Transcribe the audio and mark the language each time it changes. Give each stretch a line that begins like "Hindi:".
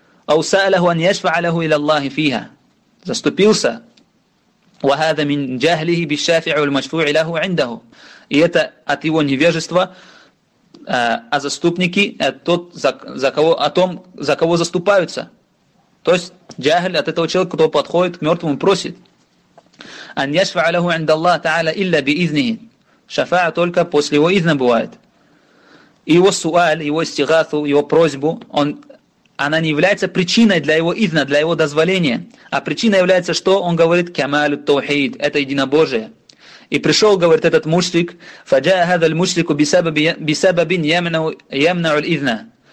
Arabic: أو سأله أن يشفع له إلى الله فيها,
Russian: заступился,
Arabic: وهذا من جهله بالشافع والمشفوع له عنده,
Russian: и это от его невежества, а заступники это тот, за кого заступаются, то есть جهل от этого человека, кто подходит к мертвому и просит.
Arabic: أن يشفع له عند الله تعالى إلا بإذنه, شفاعة
Russian: только после его
Arabic: إذна бывает.
Russian: И его суал, его истигасу, его просьбу, он, она не является причиной для его изна, для его дозволения. А причина является, что он говорит, «Камалю таухид», это единобожие. И пришел, говорит этот мушрик,
Arabic: «Фаджаа хазаль мушрику бисабабин ямнау л-изна».